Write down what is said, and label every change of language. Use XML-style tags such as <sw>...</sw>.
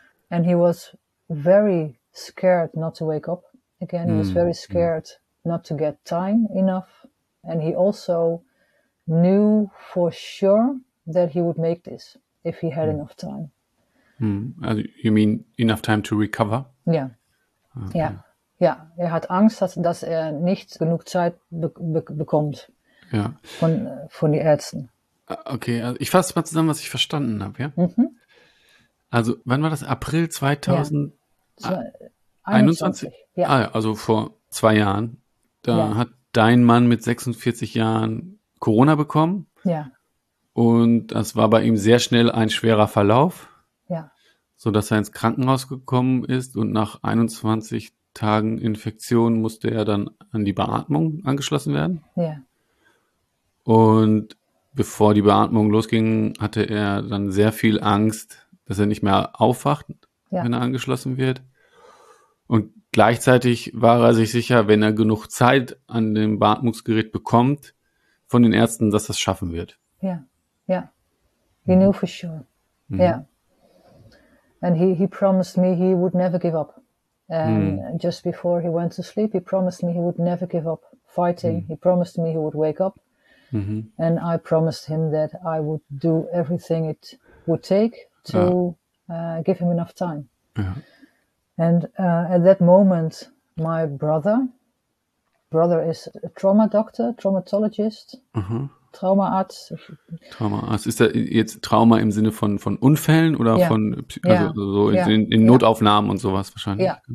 <en>And he was very scared not to wake up again. He was very scared not to get time enough. And he also knew for sure that he would make this if he had enough time. You mean enough time to recover?</en> <de>Er hat Angst, dass er nicht genug Zeit bekommt von den Ärzten. Okay, also ich fasse mal zusammen, was ich verstanden habe. Also wann war das? April 2021? Also vor 2 Jahren. Da hat dein Mann mit 46 Jahren Corona bekommen. Und das war bei ihm sehr schnell ein schwerer Verlauf. Sodass er ins Krankenhaus gekommen ist und nach 21 Tagen Infektion musste er dann an die Beatmung angeschlossen werden. Und bevor die Beatmung losging, hatte er dann sehr viel Angst, dass er nicht mehr aufwacht, wenn er angeschlossen wird. Und gleichzeitig war er sich sicher, wenn er genug Zeit an dem Beatmungsgerät bekommt, von den Ärzten, dass das schaffen wird.</de> <en>He knew for sure. And he promised me he would never give up. And just before he went to sleep, he promised me he would never give up fighting. He promised me he would wake up. And I promised him that I would do everything it would take to give him enough time. And at that moment, my brother is a trauma doctor, traumatologist.</en> <de>Traumaarzt. Ist da jetzt Trauma im Sinne von Unfällen oder von in Notaufnahmen und sowas wahrscheinlich?</de>